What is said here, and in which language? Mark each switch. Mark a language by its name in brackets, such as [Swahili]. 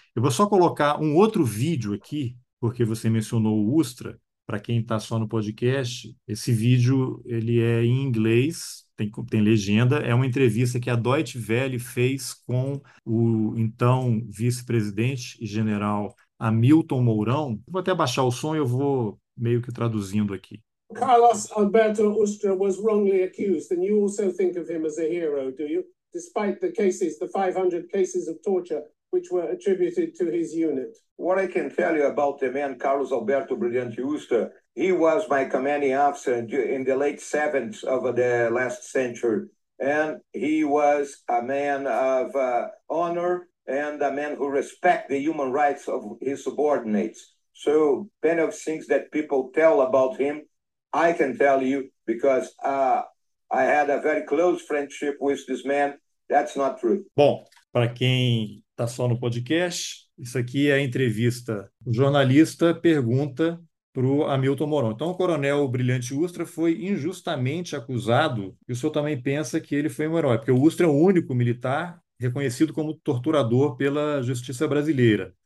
[Portuguese] Eu vou só colocar um outro vídeo aqui, porque você mencionou o Ustra, para quem está só no podcast, esse vídeo ele é em inglês, tem legenda, é uma entrevista que a Deutsche Welle fez com o então vice-presidente e general Hamilton Mourão. Vou até baixar o som e eu vou meio que traduzindo aqui. [English] Carlos Alberto Ustra was wrongly accused, and you also think of him as a hero, do you? Despite the cases, the 500 cases of torture which were attributed to his unit. What I can tell you about the man Carlos Alberto Brilhante Ustra, he was my commanding officer in the late 70s of the last century, and he was a man of honor and a man who respect the human rights of his subordinates. So many of things that people tell about him, I can tell you because I had a very close friendship with this man. That's not true. [Portuguese] Bom, para quem está só no podcast, isso aqui é a entrevista. O jornalista pergunta para o Hamilton Mourão. Então, o coronel Brilhante Ustra foi injustamente acusado, e o senhor também pensa que ele foi um herói, porque o Ustra é o único militar reconhecido como torturador pela justiça brasileira.